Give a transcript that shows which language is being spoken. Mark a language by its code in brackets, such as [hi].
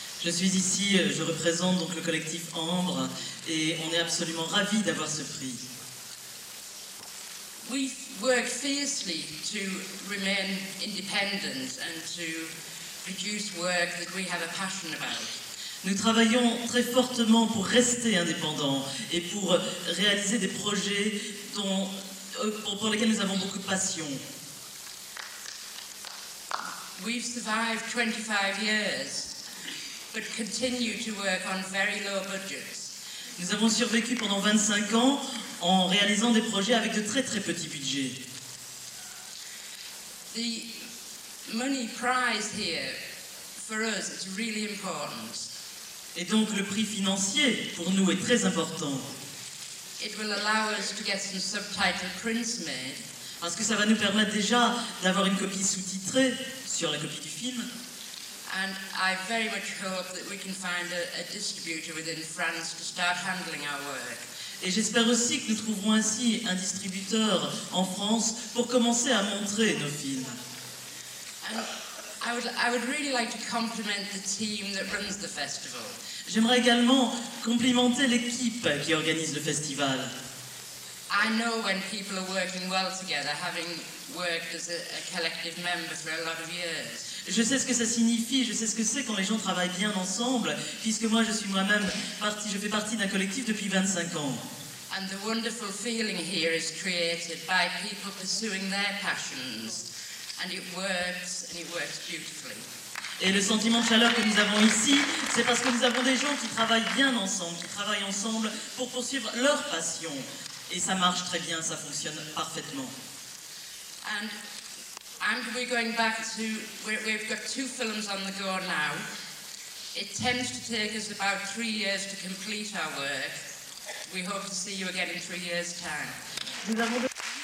[fr] Je suis ici, je représente donc le collectif Ambre et on est absolument ravis d'avoir ce prix. [en] We work fiercely to remain independent and to produce work that we have a passion about. [fr] Nous travaillons très fortement pour rester indépendants et pour réaliser des projets pour lesquels nous avons beaucoup de passion. [en] We've survived 25 years, but continue to work on very low budgets. [fr] Nous avons survécu pendant 25 ans en réalisant des projets avec de très très petits budgets. [en] The money prize here for us is really important. [fr] Et donc le prix financier pour nous est très important. [en] It will allow us to get some subtitled prints made. [fr] Parce que ça va nous permettre déjà d'avoir une copie sous-titrée sur la copie du film. [en] And I very much hope that we can find a distributor within France to start handling our work. [fr] Et j'espère aussi que nous trouverons ainsi un distributeur en France pour commencer à montrer nos films. [en] I would really like to compliment the team that runs the festival. [fr] J'aimerais également complimenter l'équipe qui organise le festival. [en] I know when people are working well together, having worked as a collective member for a lot of years. [fr] Je sais ce que ça signifie, je sais ce que c'est quand les gens travaillent bien ensemble, puisque moi je suis moi-même partie, je fais partie d'un collectif depuis 25 ans. [en] And the wonderful feeling here is created by people pursuing their passions. And it works beautifully. [fr] Et le sentiment de chaleur que nous avons ici, c'est parce que nous avons des gens qui travaillent bien ensemble, qui travaillent ensemble pour poursuivre leur passion. Et ça marche très bien, ça fonctionne parfaitement. [en] And we're going back to, we've got two films on the go now. It tends to take us about 3 years to complete our work. We hope to see you again in 3 years' time.